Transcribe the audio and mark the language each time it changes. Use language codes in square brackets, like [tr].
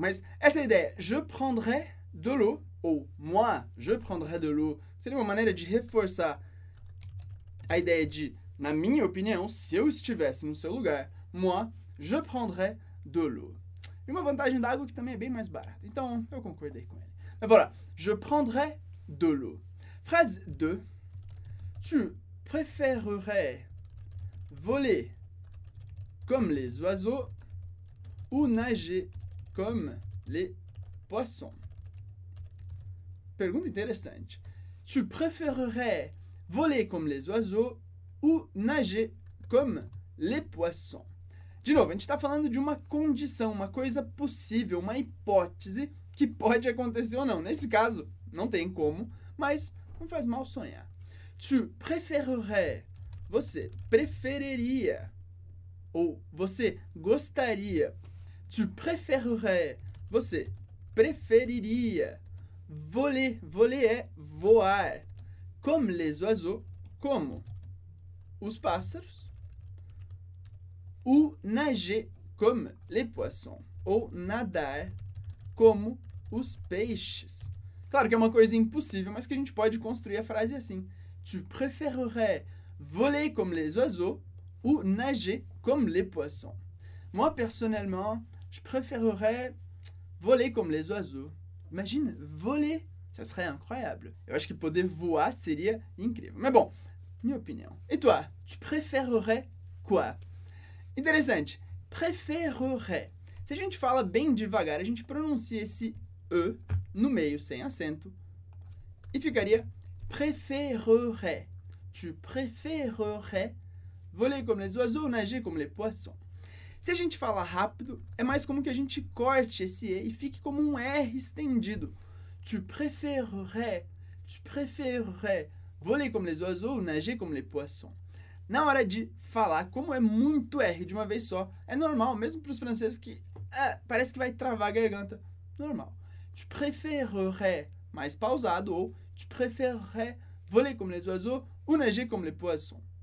[pt] Mas essa ideia, [fr] je prendrai de l'eau, [pt] ou [fr] moi, je prendrai de l'eau, [pt] seria uma maneira de reforçar a ideia de, na minha opinião, se eu estivesse no seu lugar, moi, je prendrai de l'eau. E uma vantagem da água que também é bem mais barata. Então, eu concordei com ele. [fr] Mas voilà, je prendrai de l'eau. Phrase 2. Tu préférerais voler comme les oiseaux ou nager comme les poissons? [pt] Pergunta interessante. [fr] Tu préférerais voler comme les oiseaux ou nager comme les poissons? [pt] De novo, a gente está falando de uma condição, uma coisa possível, uma hipótese que pode acontecer ou não. Nesse caso, não tem como, mas não faz mal sonhar. [fr] Tu préférerais, [pt] você preferiria, ou você gostaria, tu préférerais, você preferiria voler, voler é voar, [fr] comme les oiseaux, [pt] como os pássaros, [fr] ou nager comme les poissons, [pt] ou nadar como os peixes. Claro que é uma coisa impossível, mas que a gente pode construir a frase assim. [fr] Tu préférerais voler comme les oiseaux ou nager comme les poissons? Moi, personnellement, je préférerais voler comme les oiseaux. Imagine, voler, ça serait incroyable. [pt] Eu acho que poder voar seria incrível. [fr] Mais bon, [pt] minha opinião. [fr] Et toi, tu préférerais quoi? [pt] Interessante. Préférerais. Se a gente fala bem devagar, a gente pronuncia esse E no meio, sem acento, e ficaria préférerais. [fr] Tu préférerais voler comme les oiseaux, nager comme les poissons. [pt] Se a gente fala rápido, é mais comum que a gente corte esse E e fique como um R estendido. [fr] Tu préférerais, tu preferirais voler como les oiseaux ou nager como les poissons? [pt] Na hora de falar, como é muito R de uma vez só, é normal, mesmo para os franceses que parece que vai travar a garganta. Normal. [fr] Tu preférerais [pt] mais pausado ou [fr] tu préférerais voler comme les oiseaux ou nager comme les poissons?